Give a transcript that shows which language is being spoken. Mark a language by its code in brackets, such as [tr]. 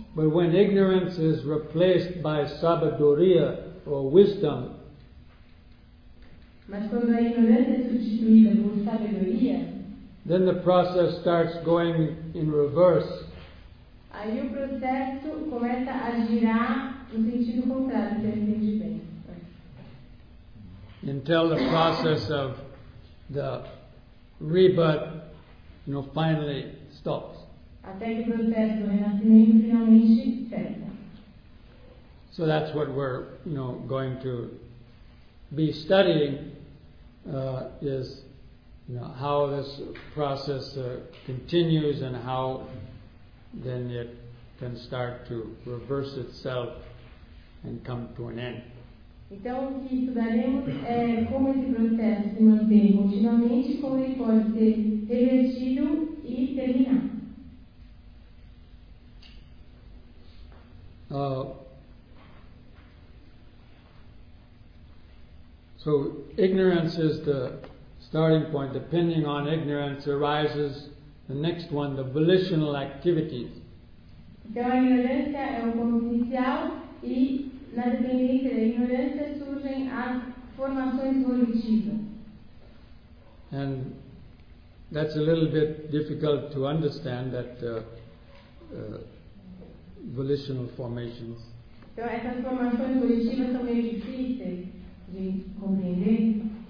[en] But when ignorance is replaced by [pt] sabedoria [en] or wisdom, [pt] mas quando a ignorância é substituída por sabedoria, [en] then the process starts going in reverse. [pt] Aí o processo começa a girar no sentido contrário, se eu entendi bem. [en] Until the process of the rebirth, you know, finally stops. [pt] Até que o processo do renascimento finalmente cessa. [en] So that's what we're, you know, going to be studying is, you know, how this process continues and how then it can start to reverse itself and come to an end. [pt] Então o que estudaremos é como esse processo se mantém continuamente, como ele pode ser revertido e terminar. [en] So ignorance is the starting point. Depending on ignorance arises the next one, the volitional activities. [pt] Então a ignorância é o ponto inicial e na dependência da ignorância surgem as formações volitivas. [en] And That's a little bit difficult to understand, that volitional formations. [pt] Então, essas formações volitivas são meio difíceis de compreender.